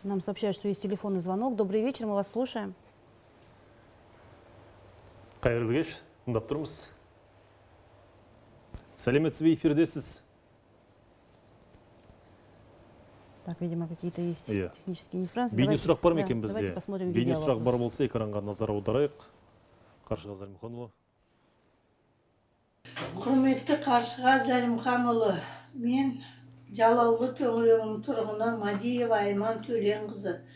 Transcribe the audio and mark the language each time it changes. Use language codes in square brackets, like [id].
[ru] Нам сообщают, что есть телефонный звонок. Добрый вечер, мы вас слушаем. [kk] Қайырлы кеш, тыңдап тұрмыз. Сәлеметсіз бе, эфирдесіз. [ru] Так, видимо, какие-то есть технические неисправности. [kk] Бейне сұрақ бар ма екен бізде? Бейне сұрақ бар болса, экранға назар аударайық. Қаршыға Зәлімханұлы. Құрметті Қаршыға Зәлімханұлы, мен Жалаулы төңірегінің тұрғыны Мадиева Айман Төленқызы.